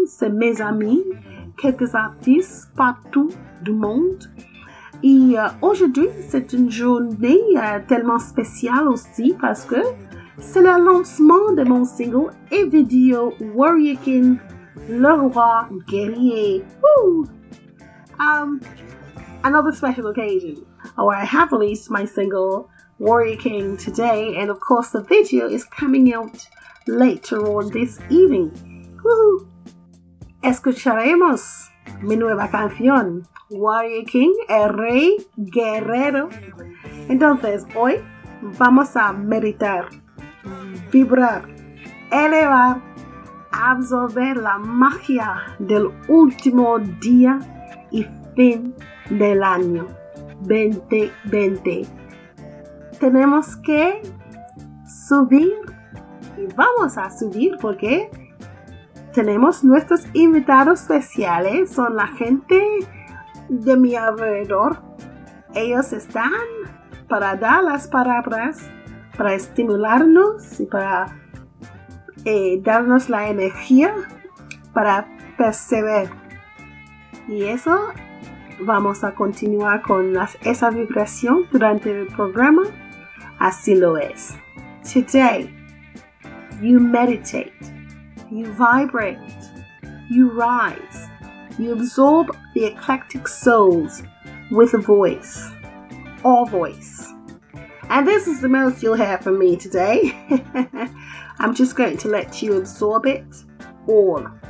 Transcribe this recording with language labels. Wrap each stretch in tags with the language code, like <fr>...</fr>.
<fr>C'est mes amis, quelques artistes partout du monde. Et aujourd'hui, c'est une journée tellement spéciale aussi parce que c'est le lancement de mon single et vidéo Warrior King, le roi guerrier. Woo!</fr> <en>Another special occasion where I have released my single Warrior King today, and of course the video is coming out later on this evening. Woo!</en> <es>Escucharemos mi nueva canción, Warrior King, el rey guerrero. Entonces, hoy vamos a meditar. vibrar, elevar, absorber la magia del último día y fin del año 2020. Tenemos que subir y vamos a subir porque tenemos nuestros invitados especiales, son la gente de mi alrededor. Ellos están para dar las palabras, para estimularnos y para darnos la energía para perseverar. Y eso, vamos a continuar con esa vibración durante el programa. Así lo es.</es> <en>Today, you meditate, you vibrate, you rise, you absorb the eclectic souls with a voice, all voice. And this is the most you'll hear from me today. I'm just going to let you absorb it all.</en>